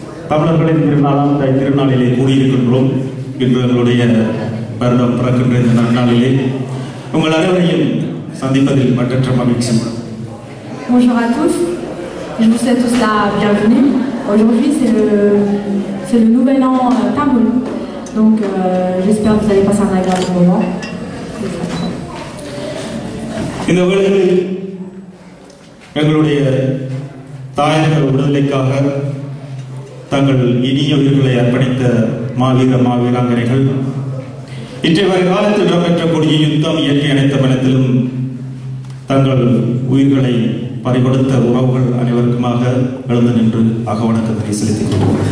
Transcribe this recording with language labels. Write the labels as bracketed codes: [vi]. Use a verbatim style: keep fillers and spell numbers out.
[ta] தமிழர்களின் திருநாளாம் தை திருநாளிலே கூடியிருக்கின்றோம். இன்று எங்களுடைய வருடம் பிறக்கின்ற இந்த நன்னாளிலே உங்கள் அனைவரையும் சந்திப்பதில் மற்றற்ற மகிழ்ச்சி. [fr] Bonjour à tous, je vous souhaite tous la bienvenue. Aujourd'hui c'est le, c'est le nouvel an euh, tamoul, donc euh, j'espère que vous allez passer un agréable moment. [ta] இந்த வேளையில் எங்களுடைய தாயர்கள் விடுதலைக்காக தங்கள் இனிய உயிர்களை அர்ப்பணித்த மாவீர மாவீராங்கனைகள் இன்றைய காலத்தில் இடம்பெற்றக்கூடிய யுத்தம் இயற்கை அனைத்த பலத்திலும் தங்கள் உயிர்களை பறிகொடுத்த உறவுகள் அனைவருக்குமாக எழுந்து நின்று அகவணக்கத்தை செலுத்திக்